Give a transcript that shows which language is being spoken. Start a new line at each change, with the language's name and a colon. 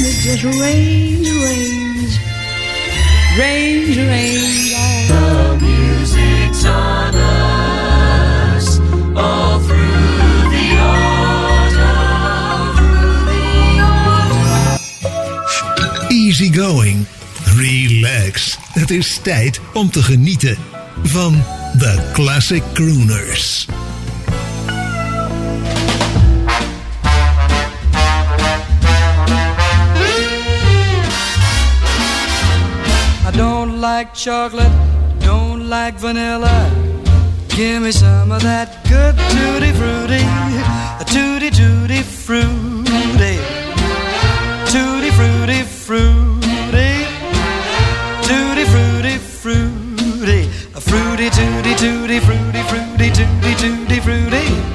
English: It rains, rains, rains, rains. The music's on us all through the autumn. Easy going, relax.
Dutch: Het is tijd om te genieten van The Classic Crooners.
English: Like chocolate, don't like vanilla. Give me some of that good tutti frutti, a tutti tutti frutti, tutti frutti frutti, tutti frutti frutti, a frutti tutti tutti frutti frutti tutti tutti frutti.